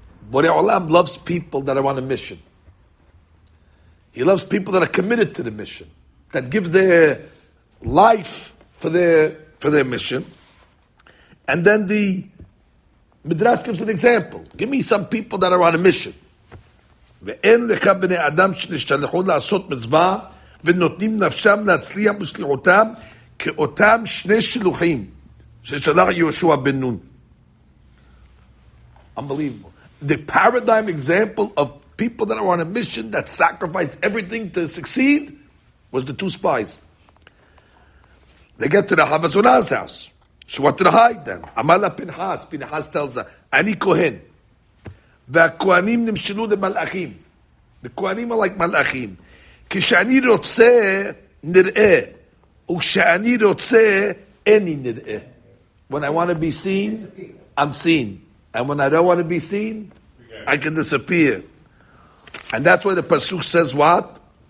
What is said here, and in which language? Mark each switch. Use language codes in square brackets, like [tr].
[en] Borei Olam loves people that are on a mission. He loves people that are committed to the mission, that give their life for their mission. And then the Midrash gives an example. Give me some people that are on a mission. [he] ואין לך בני אדם שנשתלחו לעשות מצווה, ונותנים נפשם להצליח בשליחותם, כאותם שני שלוחים ששלח יהושע בן נון. [en] Unbelievable. The paradigm example of people that are on a mission that sacrifice everything to succeed was the two spies. They get to the Havazonah's house. She wanted to hide them. Amala Pinhas. Pinhas tells her, [he] Ani Kohen. והכוהנים נמשלו למלאכים. [en] The Kohanim are like מלאכים. [he] כשאני רוצה נראה. וכשאני רוצה, אני נראה. [en] When I want to be seen, I'm seen. And when I don't want to be seen, I can disappear. And that's why the Pasuk says what?